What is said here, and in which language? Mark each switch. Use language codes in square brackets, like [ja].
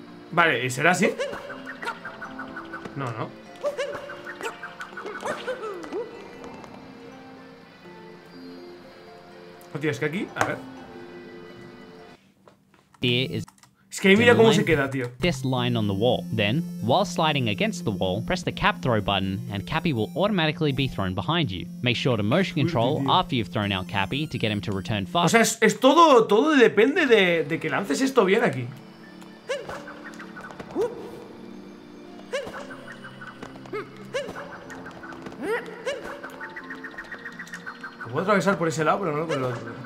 [es] Vale, ¿y será así? No, no. Tienes que aquí, a ver. Es que ahí mira cómo se queda, tío. [en] This line on the wall. Then, while sliding against the wall, press the cap throw button and Cappy will automatically be thrown behind you. Make sure to motion control after you've thrown out Cappy to get him to return fast. [es] O sea, es todo, todo depende de que lances esto bien aquí. Puedo atravesar por ese lado, pero no por el otro.